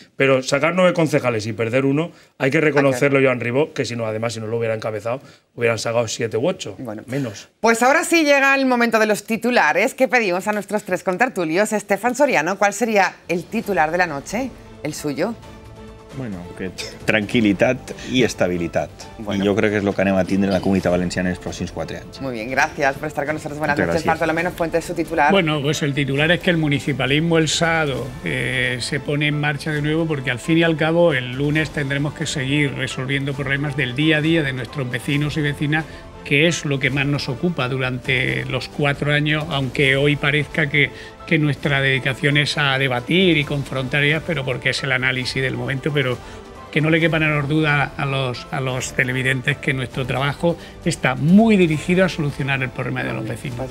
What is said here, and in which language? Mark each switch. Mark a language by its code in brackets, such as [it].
[es] Pero sacar 9 concejales y perder uno, hay que reconocerlo, Joan Ribó, que si no lo hubiera encabezado, hubieran sacado 7 u 8, bueno, menos. Pues ahora sí llega el momento de los titulares que pedimos a nuestros 3 contertulios. Estefan Soriano, ¿cuál sería el titular de la noche? ¿El suyo? [ca] Bueno, que tranquilitat i estabilitat. Bueno. I jo crec que és el que anem a tindre en la Comunitat Valenciana en els pròxims 4 anys. [es] Muy bien, gracias por estar con nosotros. Buenas noches, Bartolomé, nos cuente su titular. Bueno, pues el titular es que el municipalismo el sábado se pone en marcha de nuevo porque al fin y al cabo el lunes tendremos que seguir resolviendo problemas del día a día de nuestros vecinos y vecinas, que es lo que más nos ocupa durante los 4 años, aunque hoy parezca que nuestra dedicación es a debatir y confrontar ideas, pero porque es el análisis del momento, pero que no le quepan a los dudas a los televidentes que nuestro trabajo está muy dirigido a solucionar el problema de los vecinos.